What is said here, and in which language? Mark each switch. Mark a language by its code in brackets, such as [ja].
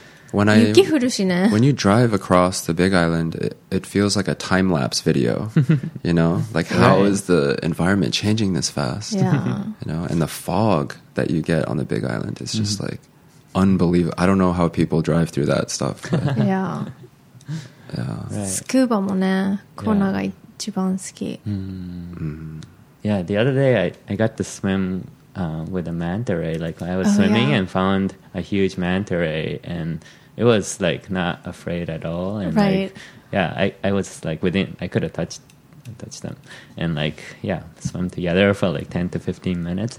[en] When you drive across the Big Island, it feels like a time-lapse video, you know? Like, how is the environment changing this fast? Yeah. You know, and the fog that you get on the Big Island is just, like, unbelievable. I don't know how people drive through that stuff. But, yeah. Yeah. Right. [ja] スクーバもね、コーナーが一番好き。 [en] Yeah, the other day I got to swim with a manta ray. Like I was swimming and found a huge manta ray, and it was like not afraid at all. And I was like within. I could have touched them, and like swam together for like 10 to 15 minutes.